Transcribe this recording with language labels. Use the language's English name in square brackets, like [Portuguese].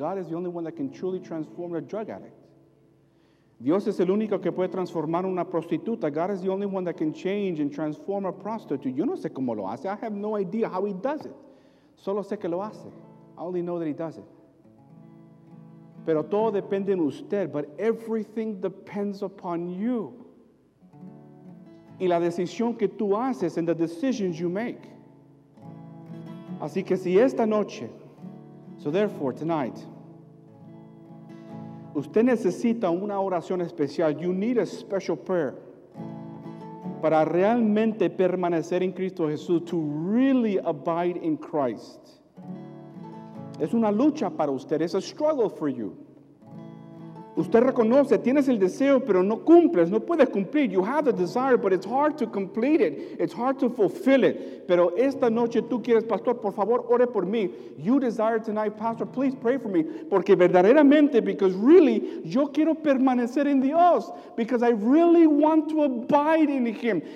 [English] God is the only one that can truly transform a drug addict. [Spanish] Dios es el único que puede transformar una prostituta. [English] God is the only one that can change and transform a prostitute. [Spanish] Yo no sé cómo lo hace. [English] I have no idea how he does it. [Spanish] Solo sé que lo hace. [English] I only know that he does it. [Spanish] Pero todo depende en usted, [English] but everything depends upon you. [Spanish] Y la decisión que tú haces [English] and the decisions you make. [Spanish] Así que si esta noche, [English] so therefore tonight, [Spanish] usted necesita una oración especial, [English] you need a special prayer [Spanish] para realmente permanecer en Cristo Jesús, [English] to really abide in Christ. [Spanish] Es una lucha para usted, [English] it's a struggle for you. [Spanish] Usted reconoce, tienes el deseo, pero no cumples, no puedes cumplir. [English] You have the desire, but it's hard to complete it. It's hard to fulfill it. [Spanish] Pero esta noche tú quieres, pastor, por favor, ore por mí. [English] You desire tonight, pastor, please pray for me. [Spanish] Porque verdaderamente, [English] because really, [Spanish] yo quiero permanecer en Dios. [English] Because I really want to abide in Him.